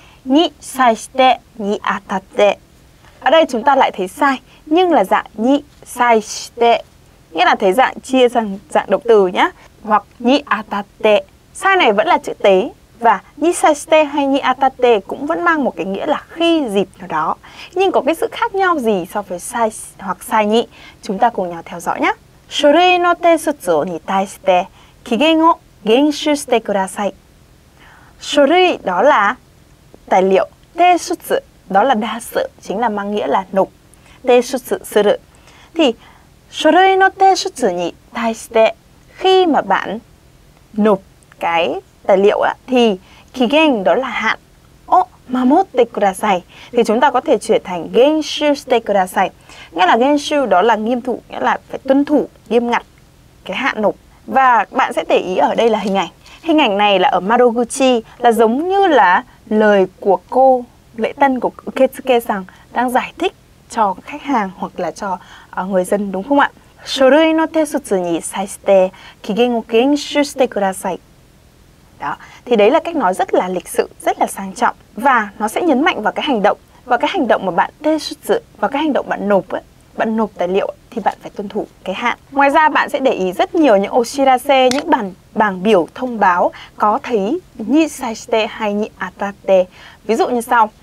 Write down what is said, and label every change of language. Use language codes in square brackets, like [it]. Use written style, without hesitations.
[vi] Ni sai shite, ni atatte. Ở đây chúng ta lại thấy sai, nhưng là dạng ni sai shite, nghĩa là thấy dạng chia sang dạng động từ nhé. Hoặc ni atatte, sai này vẫn là chữ tế. Và ni sai shite hay ni atatte cũng vẫn mang một cái nghĩa là khi dịp nào đó. Nhưng có cái sự khác nhau gì so với sai hoặc sai nhị? Chúng ta cùng nhau theo dõi nhé. [ja] 書類の提出に対して期限を厳守してください。 [vi] 書類 đó là tài liệu, 提出 đó là đa sự, chính là mang nghĩa là nộp. 提出する thì [ja] 書類の提出に対して [vi] khi mà bạn nộp cái tài liệu á thì 期限 đó là hạn. 守ってください thì chúng ta có thể chuyển thành [ja] 厳守してください [vi] nghĩa là 厳守 đó là nghiêm thủ, nghĩa là phải tuân thủ nghiêm ngặt cái hạn nộp. Và bạn sẽ để ý ở đây là hình ảnh. Hình ảnh này là ở Madoguchi, là giống như là lời của cô lễ tân của Ketsuke rằng đang giải thích cho khách hàng hoặc là cho người dân, đúng không ạ? [ja] 書類の提出に際して期限を厳守してください。 [vi] Đó, thì đấy là cách nói rất là lịch sự, rất là sang trọng. Và nó sẽ nhấn mạnh vào cái hành động. Và cái hành động mà bạn tê xuất sự, và cái hành động bạn nộp ấy, bạn nộp tài liệu ấy, thì bạn phải tuân thủ cái hạn. Ngoài ra bạn sẽ để ý rất nhiều những oshirase, những bảng biểu thông báo có thấy ni sai shite hay ni atatte. Ví dụ như sau.